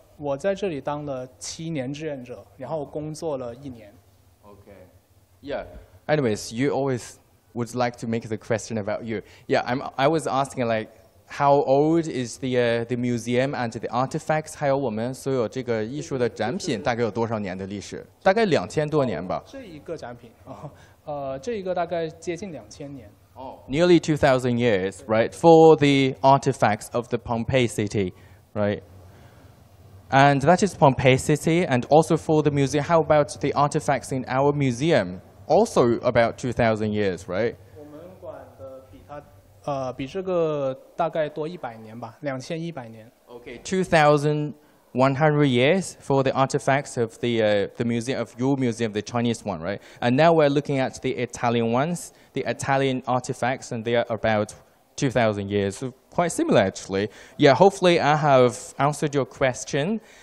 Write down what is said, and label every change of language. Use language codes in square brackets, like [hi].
[zh] 我在这里当了7年志愿者，然后工作了1年。 [en] Okay. Yeah. Anyways, you always would like to make the question about you. Yeah, I was asking like, how old is the museum and the artifacts? [zh] 还有我们所有这个艺术的展品大概有多少年的历史？大概2000多年吧。这一个展品，这一个大概接近2000年。 [en] Nearly 2,000 years, right? For the artifacts of the Pompeii city, right? And that is Pompeii City, and also for the museum. How about the artifacts in our museum? Also about 2,000 years, right? [zh] 我们馆的比它，比这个大概多100年吧，2100年。 [en] Okay, 2,100 years for the artifacts of the museum of your museum, the Chinese one, right? And now we're looking at the Italian ones, the Italian artifacts, and they are about 2,000 years. Quite similar, actually. Yeah, hopefully I have answered your question.